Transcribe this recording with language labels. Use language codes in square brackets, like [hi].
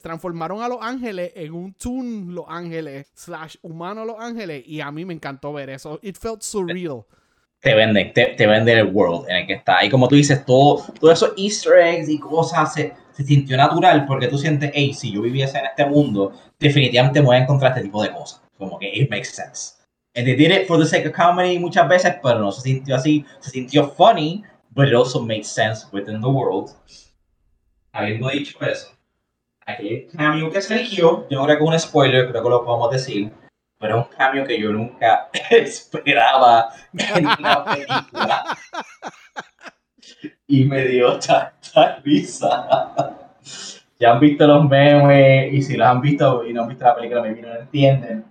[es] Transformaron a Los Ángeles en un Toon Los Ángeles / humano Los Ángeles, y a mí me encantó ver eso. [en] It felt surreal. [es] Te vende el world en el que está. Y como tú dices, todo eso easter eggs y cosas se sintió natural porque tú sientes, hey, si yo viviese en este mundo, definitivamente me voy a encontrar este tipo de cosas. Como que [en] it makes sense. And they did it for the sake of comedy [es] muchas veces, pero no se sintió así. Se sintió [en] funny, but it also made sense within the world. [es] Habiendo dicho eso, aquel cameo que se eligió, yo creo que es un spoiler, creo que lo podemos decir, pero es un cameo que yo nunca esperaba en una película. Y me dio tanta risa. Ya han visto los memes, y si los han visto y no han visto la película, me vino, no entienden.